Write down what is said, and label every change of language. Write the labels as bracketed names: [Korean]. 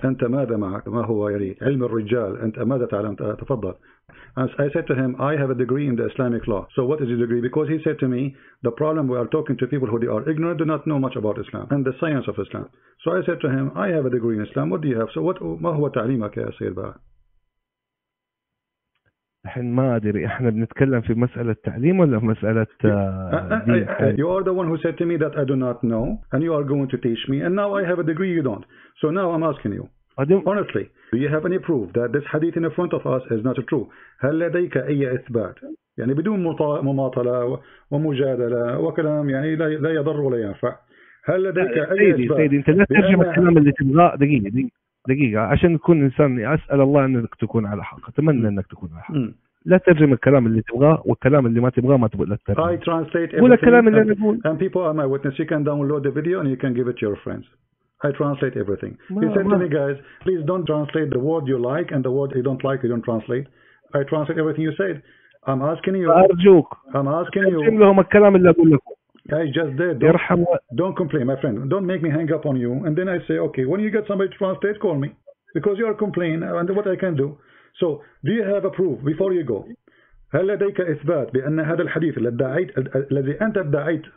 [Arabic] انت ماذا معك؟ ما هو يعني علم الرجال؟ انت ماذا تعلمت؟ تفضل. [English] I said to him, I have a degree in the Islamic law. So what is your degree? Because he said to me, the problem we are talking to people who they are ignorant, do not know much about Islam and the science of Islam. So I said to him, I have a degree in Islam. What do you have? So what [Arabic] ما هو تعليمك يا سيد بهاء؟ الحين ما أدري إحنا بنتكلم في مسألة تعليم ولا في مسألة دين. [English] You are the one who said to me that I do not know and you are going to teach me and now I have a degree you don't. So now I'm asking you. Honestly, do you have any proof that this hadith in front of us is not true? [Arabic] هل لديك أي إثبات؟ يعني بدون مماطلة ومجادلة وكلام يعني لا يضر ولا ينفع. هل لديك أي إثبات؟ سيدي أنت لا ترجم الكلام اللي تبغاه. دقيقة عشان نكون إنسان, أسأل الله أنك تكون على حق, أتمنى أنك تكون على حق. لا ترجم الكلام اللي تبغاه والكلام اللي ما تبغاه ما تبغى الترجمة. [English] I translate everything and people are my witness. You can download the video and you can give it to your friends. I translate everything. He said to me, guys, please don't translate the word you like and the word you don't like, you don't translate. I translate everything you said. I'm asking you. [Arabic] أرجوك. [English] I'm asking you. [Arabic] أرجم لهم الكلام اللي أقول لكم. [English] I just did. Don't complain, my friend. Don't make me hang up on you. And then I say, okay, when you get somebody to translate, call me. Because you are complaining, and what I can do. So, do you have a proof before you go? [Arabic] هل لديك إثبات بأن هذا الحديث الذي أنت ادعيت